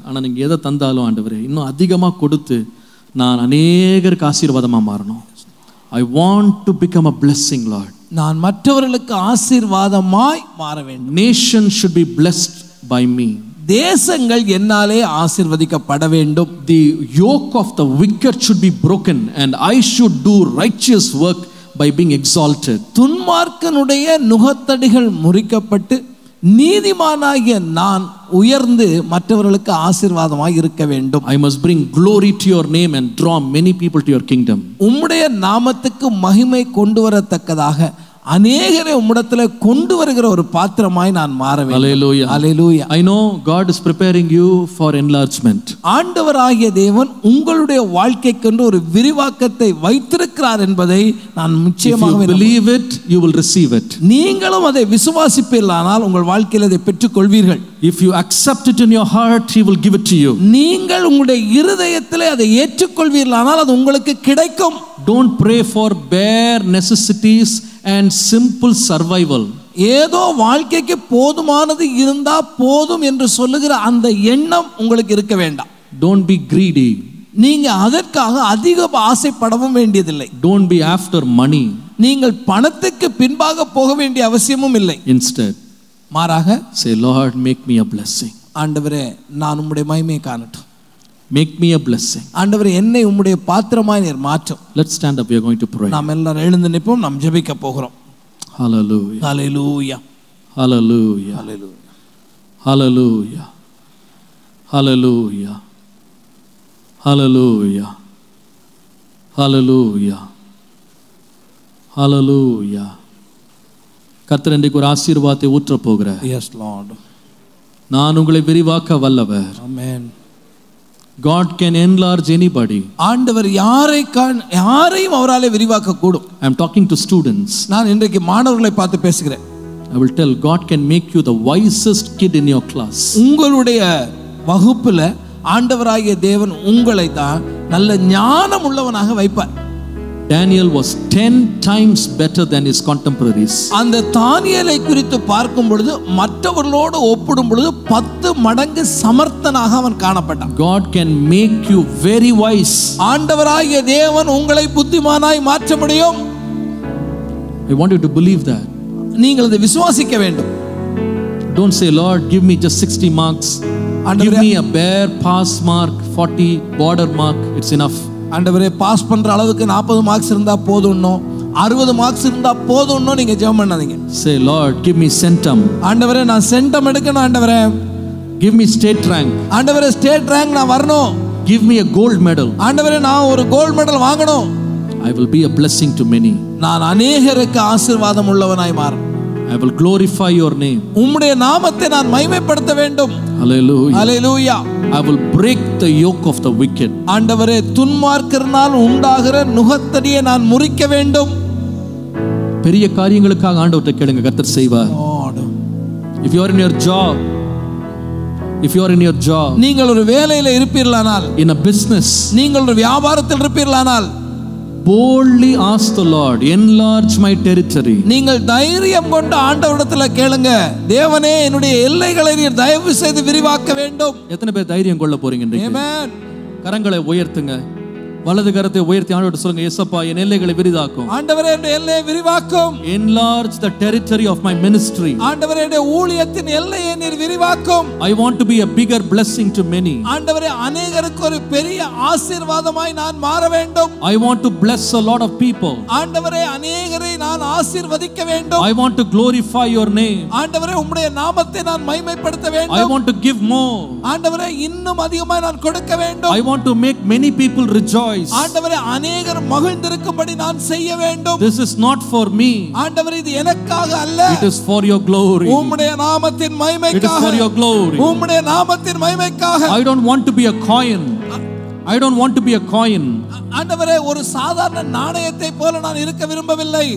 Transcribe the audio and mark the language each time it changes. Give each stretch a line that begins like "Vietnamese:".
Tamil: ஆனால் நீங்கள் எதை தந்தாலும் ஆண்டவரே, இன்னும் அதிகமாக கொடுத்து நான் அநேகருக்கு ஆசீர்வாதமாக மாறணும்.
English: I want to become a blessing Lord.
Tamil: நான் மற்றவர்களுக்கு ஆசீர்வாதமாய் மாற வேண்டும்.
English: Nation should be blessed by me.
Tamil: தேசங்கள் என்னாலே ஆசீர்வதிக்கப்பட வேண்டும்.
English: The yoke of the wicked should be broken and I should do righteous work by being exalted.
Tamil: துன்மார்க்கனுடைய நுகத்தடிகள் முறிக்கப்பட்டு நீதிமானாகிய நான் உயர்ந்து மற்றவர்களுக்கு ஆசீர்வாதமாக இருக்க வேண்டும்.
English: I must bring glory to your name and draw many people to your kingdom.
Tamil: உம்முடைய நாமத்துக்கு மகிமை கொண்டு வரத்தக்கதாக அநேகரை உம்மிடத்தில் கொண்டு வருகிற ஒரு பாத்திரமாய் நான் மாறவேன்.
English: Hallelujah. I know God is preparing you for enlargement.
Tamil: ஆண்டவராகிய தேவன் உங்களுடைய வாழ்க்கைக்கென்று ஒரு விரிவாக்கத்தை வைத்திருக்கிறார் என்பதை நான் நிச்சயமாக நம்புகிறேன். நீங்களும் அதை விசுவாசிப்பீர்களானால் உங்கள் வாழ்க்கையில் அதை பெற்றுக் கொள்வீர்கள்.
English: If you accept it in your heart, he will give it to you.
Tamil: நீங்கள் உங்களுடைய இருதயத்திலே அதை ஏற்றுக்கொள்வீர்களானால் அது உங்களுக்கு கிடைக்கும்.
English: Don't pray for bare necessities and simple survival.
Tamil: ஏதோ வாழ்க்கைக்கு போதுமானது இருந்தா போதும் என்று சொல்லுகிற அந்த எண்ணம் உங்களுக்கு இருக்க வேண்டாம்.
English: Don't be greedy.
Tamil: நீங்க அதற்காக அதிக ஆசைப்படவும் வேண்டியதில்லை.
English: Don't be after money.
Tamil: நீங்கள் பணத்துக்கு பின்பாக போக வேண்டிய அவசியமும் இல்லை.
English: Instead,
Tamil: மாறாக,
English: say Lord, make me a blessing.
Tamil: ஆண்டவரே, நான் உம்முடைய மகிமையை காணட்டும்.
English: Make me a blessing.
Tamil: ஆண்டவரே, என்னை உம்முடைய பாத்திரமாய் நீர் மாற்றும்.
English: Let's stand up. We are going to pray.
Tamil: நாம் எல்லாரும் எழுந்து நிப்போம். நாம் ஜெபிக்க போகிறோம்.
English: Hallelujah. Hallelujah. Hallelujah. Hallelujah. Hallelujah. Hallelujah. Hallelujah. Hallelujah. Hallelujah.
Tamil: கர்த்தர் இன்றைக்கு ஒரு ஆசீர்வாதத்தை ஊற்ற போகிறார்.
English: Yes, Lord.
Tamil: நான் உங்களை விரிவாக்க வல்லவர்.
English: Amen. God can enlarge anybody.
Tamil: ஆண்டவர் யாரையும் அவராலே விரிவாக்க கூடும்.
English: I am talking to students.
Tamil: நான் இன்றைக்கு மாணவர்களை பார்த்து பேசுகிறேன்.
English: I will tell, God can make you the wisest kid in your class.
Tamil: உங்களுடைய வகுப்புல ஆண்டவராகிய தேவன் உங்களை தான் நல்ல ஞானம் உள்ளவனாக வைப்பார்.
English: Daniel was 10 times better than his contemporaries.
Tamil: அந்த தானியேலை குறித்து பார்க்கும் பொழுது மற்றவர்களோடு ஒப்பிடும் பொழுது 10 மடங்கு சமர்த்தனாக அவன் காணப்பட்டான்.
English: God can make you very wise.
Tamil: ஆண்டவராகிய தேவன் உங்களை புத்திமானாய் மாற்ற முடியும்.
English: I want you to believe that.
Tamil: நீங்கள் அதை விசுவாசிக்க வேண்டும்.
English: Don't say, Lord, give me just 60 marks. Give me a bare pass mark, 40 border mark. It's enough.
Tamil: ஆண்டவரே, பாஸ் பண்ற அளவுக்கு 40 மார்க்ஸ் இருந்தா போதும்னோ, 60 மார்க்ஸ் இருந்தா போதும்னோ நீங்க ஜெபம் பண்ணாதீங்க.
English: Say, Lord, give me centum.
Tamil: ஆண்டவரே, நான் சென்டம் எடுக்கணும். ஆண்டவரே,
English: Give me state rank.
Tamil: ஆண்டவரே ஸ்டேட் ரேங்க் நான் வரணும்.
English: Give me a gold medal.
Tamil: ஆண்டவரே நான் ஒரு கோல்ட் மெடல் வாங்கணும்.
English: I will be a blessing to many.
Tamil: நான் அநேகருக்கு ஆசீர்வாதம் உள்ளவனாய் மாறும்.
English: I will glorify your name.
Tamil: உம்முடைய நாமத்தை நான் மகிமைப்படுத்த வேண்டும்.
English: Hallelujah. Hallelujah. I will break the yoke of the wicked.
Tamil: ஆண்டவரே துன்மார்க்கர்னால் உண்டாகிற நுகத்தடியை நான் முறிக்க வேண்டும். பெரிய காரியங்களுக்காக ஆண்டவரை கேளுங்க, கர்த்தர் செய்வார்.
English: If you are in your job, if you are in your job,
Tamil: நீங்கள் ஒரு வேலையில இருப்பீர்களானால்,
English: in a business,
Tamil: நீங்கள் ஒரு வியாபாரத்தில் இருப்பீர்களானால்,
English: boldly ask the Lord, enlarge my territory.
Tamil: நீங்கள் தைரியம் கொண்டு ஆண்டவரிடத்தில் கேளுங்க, தேவனே என்னுடைய எல்லைகளை நீர் தயவு செய்து விரிவாக்க வேண்டும். எத்தனை பேர் தைரியம் கொள்ள போறீங்க இன்றைக்கு? ஆமென். கரங்களை உயர்த்துங்க, வலது கரத்தை உயர்த்தி ஆண்டவரே சொல்லுங்க, இயேசுப்பா என் எல்லைகளை விரிதாக்கும். ஆண்டவரே என் எல்லையை விரிவாக்கும்.
English: Enlarge the territory of my ministry.
Tamil: ஆண்டவரே என் ஊழியத்தின் எல்லையை நீர் விரிவாக்கும்.
English: I want to be a bigger blessing to many.
Tamil: ஆண்டவரே அநேகருக்கு ஒரு பெரிய ஆசீர்வாதமாய் நான் மாற வேண்டும்.
English: I want to bless a lot of people.
Tamil: ஆண்டவரே அநேகரை நான் ஆசீர்வதிக்க வேண்டும்.
English: I want to glorify your name.
Tamil: ஆண்டவரே உம்முடைய நாமத்தை நான் மகிமைப்படுத்த வேண்டும்.
English: I want to give more.
Tamil: ஆண்டவரே இன்னும் அதிகமாய் நான் கொடுக்க வேண்டும்.
English: I want to make many people rejoice.
Tamil: ஆண்டவரே அநேகர் மகிழ்ந்திருக்கும்படி நான் செய்ய வேண்டும்.
English: This is not for me.
Tamil: ஆண்டவரே இது எனக்காக அல்ல.
English: It is for your glory.
Tamil: உம்முடைய நாமத்தின் மகிமைக்காக.
English: It is for your glory.
Tamil: உம்முடைய நாமத்தின் மகிமைக்காக.
English: I don't want to be a coin. I don't want to be a coin.
Tamil: ஆண்டவரே ஒரு சாதாரண நாணயத்தை போல நான் இருக்க விரும்பவில்லை.